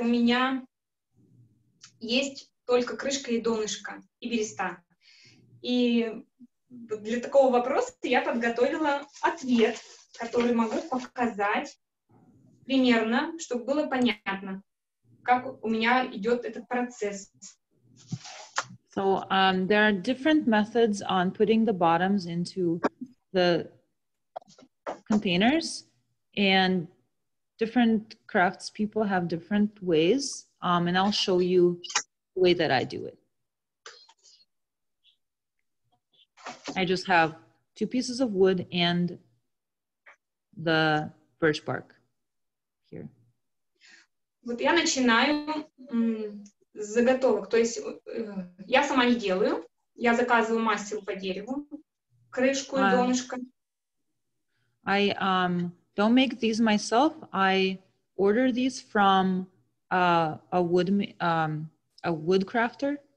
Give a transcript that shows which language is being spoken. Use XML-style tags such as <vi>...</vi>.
<ru>У меня есть только крышка и донышко, и береста. И для такого вопроса я подготовила ответ, который могу показать примерно, чтобы было понятно, как у меня идет этот процесс.</ru> <en>So, there are different methods on putting the bottoms into the containers, and different crafts people have different ways, and I'll show you the way that I do it. I just have two pieces of wood and the birch bark here.</en> <ru>Вот я начинаю с заготовок, то есть я сама не делаю, я заказываю мастеру по дереву, крышку и донышко.</ru> <en>I don't make these myself. I order these from a wood crafter.</en>